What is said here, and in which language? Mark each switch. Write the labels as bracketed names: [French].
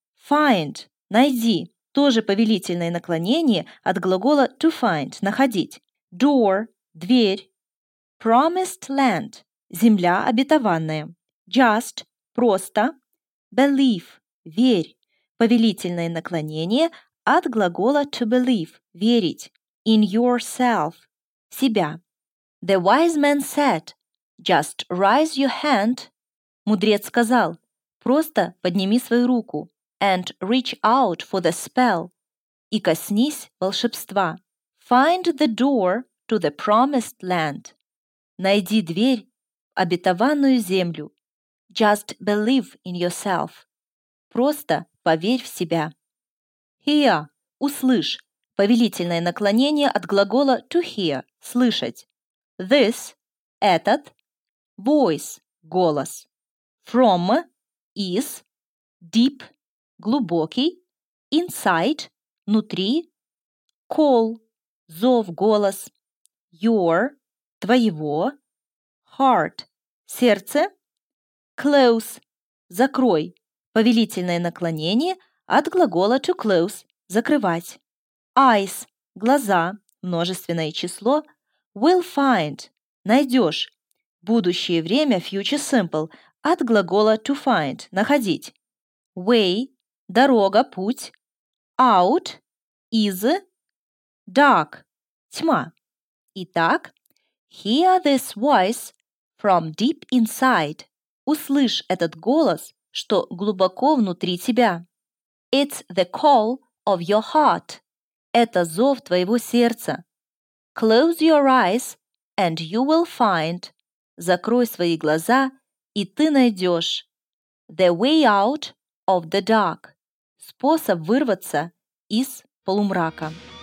[Russian] Find, найди, тоже повелительное наклонение от глагола to find, находить. Door, дверь. Promised land, земля обетованная. Just, просто. Believe, верь, повелительное наклонение от глагола to believe, верить. [English] In yourself, себя. The wise man said, just raise your hand. [Russian] Мудрец сказал, просто подними свою руку. [English] And reach out for the spell. [Russian] И коснись волшебства. [English] Find the door to the promised land. [Russian] Найди дверь в обетованную землю. [English] Just believe in yourself. [Russian] Просто поверь в себя. Hear, услышь. Повелительное наклонение от глагола to hear, слышать. This, этот. Voice, голос. From, is. Deep, глубокий, inside, внутри, call, зов, голос, your, твоего, heart, сердце, close, закрой, повелительное наклонение от глагола to close, закрывать, eyes, глаза, множественное число, will find, найдешь, будущее время, future simple, от глагола to find, находить, way, дорога, путь, out, is, dark, тьма. [English] Итак, hear this voice from deep inside. [Russian] Услышь этот голос, что глубоко внутри тебя. [English] It's the call of your heart. [Russian] Это зов твоего сердца. [English] Close your eyes and you will find. [Russian] Закрой свои глаза, и ты найдешь. [English] The way out of the dark. [Russian] Способ вырваться из полумрака.